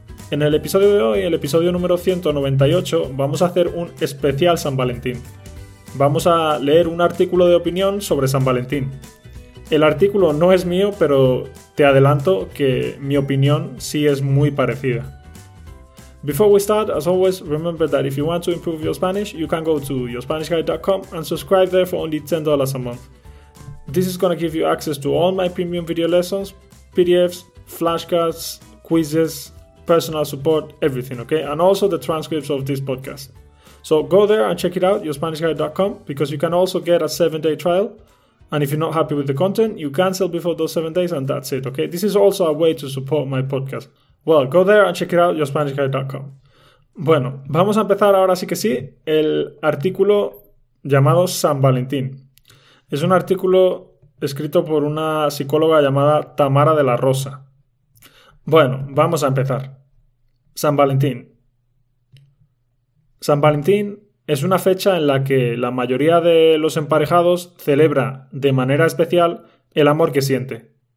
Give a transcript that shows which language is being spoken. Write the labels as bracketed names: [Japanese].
[Spanish] En el episodio de hoy, el episodio número 198, vamos a hacer un especial San Valentín. Vamos a leer un artículo de opinión sobre San Valentín. El artículo no es mío, pero te adelanto que mi opinión sí es muy parecida. [English] Before we start, as always, remember that if you want to improve your Spanish, you can go to yourspanishguide.com and subscribe there for only $10 a month. This is going to give you access to all my premium video lessons, PDFs, flashcards, quizzes, personal support, everything, okay? And also the transcripts of this podcast. So go there and check it out, yourspanishguide.com, because you can also get a 7-day trial. And if you're not happy with the content, you cancel before those 7 days and that's it, okay? This is also a way to support my podcast. Well, go there and check it out, yourspanishguide.com. [Spanish] Bueno, vamos a empezar ahora sí que sí el artículo llamado San Valentín. Es un artículo escrito por una psicóloga llamada Tamara de la Rosa. Bueno, vamos a empezar. San Valentín. San Valentín es una fecha en la que la mayoría de los emparejados celebra de manera especial el amor que siente.